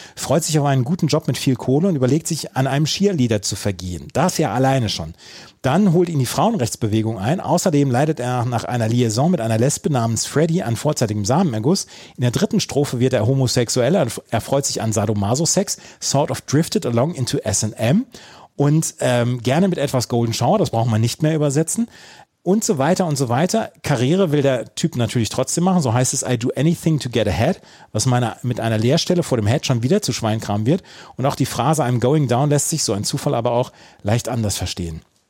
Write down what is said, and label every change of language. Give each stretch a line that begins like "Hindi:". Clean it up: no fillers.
German: Freut sich auf einen guten Job mit viel Kohle und überlegt sich, an einem Cheerleader zu vergehen. Das ja alleine schon. Dann holt ihn die Frauenrechtsbewegung ein. Außerdem leidet er nach einer Liaison mit einer Lesbe namens Freddy an vorzeitigem Samenerguss. In der dritten Strophe wird er homosexuell. Er freut sich an Sadomaso-Sex.
English: Sort of drifted along into S&M.
German: Und gerne mit etwas Golden Shower, das braucht man nicht mehr übersetzen. Und so weiter und so weiter. Karriere will der Typ natürlich trotzdem machen. So heißt es,
English: I do anything to get ahead,
German: was mit einer Leerstelle vor dem Head schon wieder zu Schweinkram wird. Und auch die Phrase,
English: I'm going down,
German: lässt sich, so ein Zufall, aber auch leicht anders verstehen.